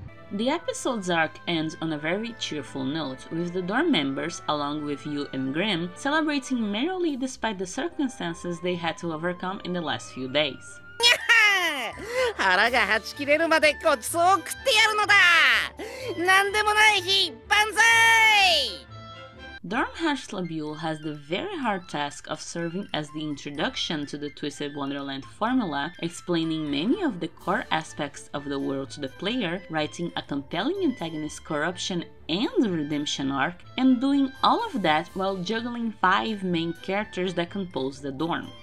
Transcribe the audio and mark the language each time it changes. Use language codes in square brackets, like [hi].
[en] The episode's arc ends on a very cheerful note, with the dorm members, along with Yu and Grimm, celebrating merrily despite the circumstances they had to overcome in the last few days. [ja] 腹がはち切れるまでごちそうを食ってやるのだ! なんでもない日、万歳! [en] Dorm Hashlabule has the very hard task of serving as the introduction to the Twisted Wonderland formula, explaining many of the core aspects of the world to the player, writing a compelling antagonist corruption and redemption arc, and doing all of that while juggling five main characters that compose the dorm.